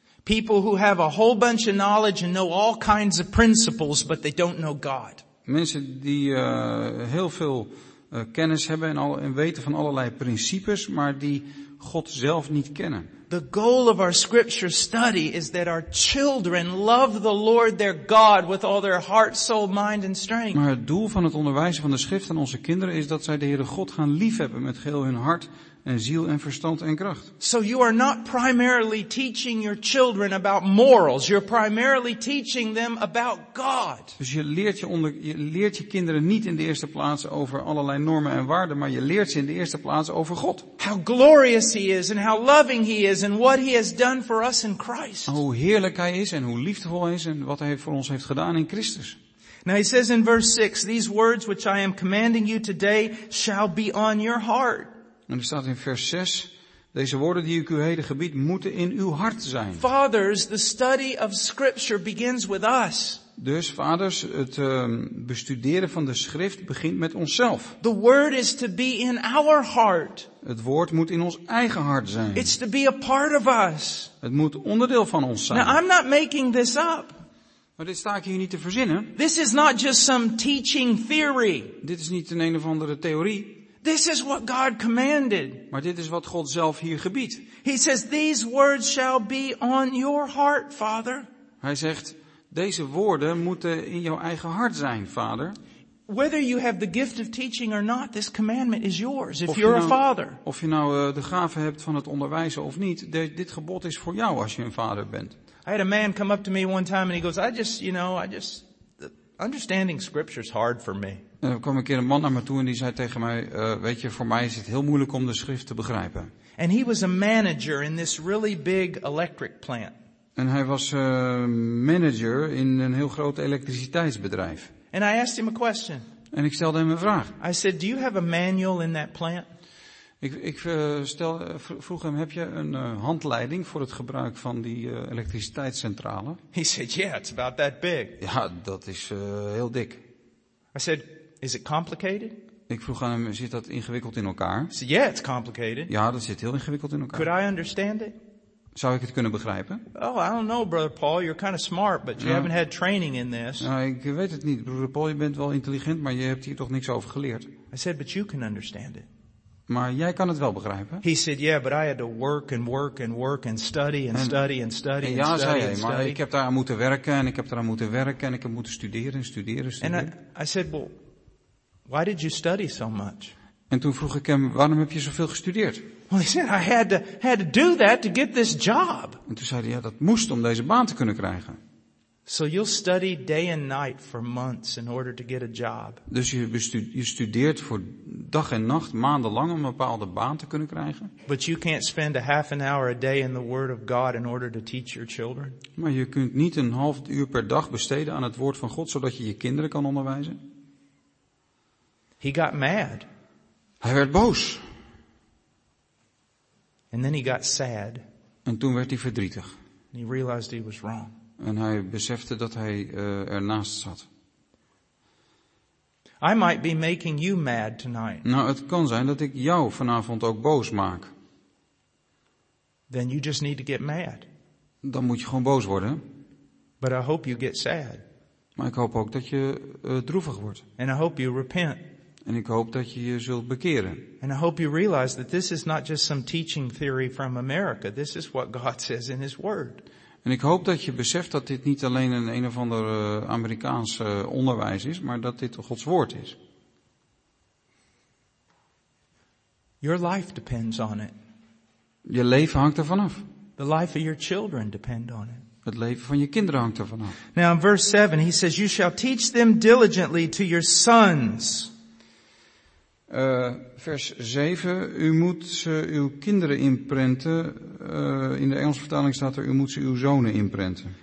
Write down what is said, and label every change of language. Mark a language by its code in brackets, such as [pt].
[en] People who have a whole bunch of knowledge and know all kinds of principles, but they don't know God. [nl] Mensen die heel veel kennis hebben en weten van allerlei principes, maar die God zelf niet kennen. [en] The goal of our scripture study is that our children love the Lord their God with all their heart, soul, mind and strength. [nl] Maar het doel van het onderwijzen van de schrift aan onze kinderen is dat zij de Heere God gaan liefhebben met geheel hun hart en ziel en verstand en kracht. [en] So you are not primarily teaching your children about morals. You're primarily teaching them about God. [nl] Dus je leert je kinderen niet in de eerste plaats over allerlei normen en waarden, maar je leert ze in de eerste plaats over God. [en] How glorious he is and how loving he is and what he has done for us in Christ. [nl] Hoe heerlijk hij is en hoe liefdevol hij is en wat hij voor ons heeft gedaan in Christus. [en] Now he says in verse 6, these words which I am commanding you today shall be on your heart. [nl] En er staat in vers 6, deze woorden die ik u heden gebied moeten in uw hart zijn. [en] Fathers, the study of scripture begins with us. [nl] Dus vaders, het bestuderen van de schrift begint met onszelf. [en] The word is to be in our heart. [nl] Het woord moet in ons eigen hart zijn. [en] It's to be a part of us. [nl] Het moet onderdeel van ons zijn. [en] Now, I'm not making this up. [nl] Maar dit sta ik hier niet te verzinnen. [en] This is not just some teaching theory. [nl] Dit is niet een of andere theorie. [en] This is what God commanded. [nl] Maar dit is wat God zelf hier gebiedt. [en] He says, these words shall be on your heart, Father. [nl] Hij zegt, deze woorden moeten in jouw eigen hart zijn, Vader. [en] Whether you have the gift of teaching or not, this commandment is yours if you're a father. [nl] Of je nou de gave hebt van het onderwijzen of niet, dit gebod is voor jou als je een vader bent. [en] I had a man come up to me one time and he goes, understanding scripture is hard for me. [nl] Er kwam een keer een man naar me toe en die zei tegen mij, weet je, voor mij is het heel moeilijk om de schrift te begrijpen. [en] And he was a manager in this really big electric plant. [nl] En hij was manager in een heel groot elektriciteitsbedrijf. [en] And I asked him a question. [nl] En ik stelde hem een vraag. [en] I said, do you have a manual in that plant? [nl] Ik vroeg hem, heb je een handleiding voor het gebruik van die elektriciteitscentrale? [en] He said, yeah, it's about that big. [nl] Ja, dat is heel dik. [en] I said, is it complicated? [nl] Ik vroeg aan hem, zit dat ingewikkeld in elkaar? [en] He said, yeah, it's complicated. [nl] Ja, dat zit heel ingewikkeld in elkaar. [en] Could I understand it? [nl] Zou ik het kunnen begrijpen? [en] Oh, I don't know, brother Paul. You're kind of smart, but you haven't had training in this. [nl] Nou, ik weet het niet, broeder Paul. Je bent wel intelligent, maar je hebt hier toch niks over geleerd. [en] I said, but you can understand it. [nl] Maar jij kan het wel begrijpen. [en] He said, yeah, but I had to work and work and work and study and study and study and study. [nl] Ja, [en] and study [nl] zei hij, maar ik heb daaraan moeten werken en ik heb daaraan moeten werken en ik heb moeten studeren en studeren en studeren. [en] And I said, well, why did you study so much? [nl] En toen vroeg ik hem, waarom heb je zoveel gestudeerd? [en] Well, he said, I had to do that to get this job. [nl] En toen zei hij, ja, dat moest om deze baan te kunnen krijgen. [en] So you'll study day and night for months in order to get a job. [nl] Dus je studeert voor dag en nacht, maandenlang om een bepaalde baan te kunnen krijgen. [en] But you can't spend a half an hour a day in the Word of God in order to teach your children. [nl] Maar je kunt niet een half uur per dag besteden aan het woord van God zodat je kinderen kan onderwijzen. [en] He got mad. [nl] Hij werd boos. [en] And then he got sad. [nl] En toen werd hij verdrietig. [en] And he realized he was wrong. [nl] En hij besefte dat hij ernaast zat. [en] I might be making you mad tonight. [nl] Nou, het kan zijn dat ik jou vanavond ook boos maak. [en] Then you just need to get mad. [nl] Dan moet je gewoon boos worden. [en] But I hope you get sad. [nl] Maar ik hoop ook dat je droevig wordt. [en] And I hope you repent. [nl] En ik hoop dat je zult bekeren. [en] And I hope you realize that this is not just some teaching theory from America. This is what God says in his word. [nl] En ik hoop dat je beseft dat dit niet alleen een of ander Amerikaans onderwijs is, maar dat dit Gods woord is. [en] Your life depends on it. [nl] Je leven hangt ervan af. [en] The life of your children depend on it. [nl] Het leven van je kinderen hangt ervan af. [en] Now in verse 7 he says, you shall teach them diligently to your sons. [nl] Vers 7, u moet ze uw kinderen inprenten. In de Engelse vertaling staat er, u moet ze uw zonen inprenten.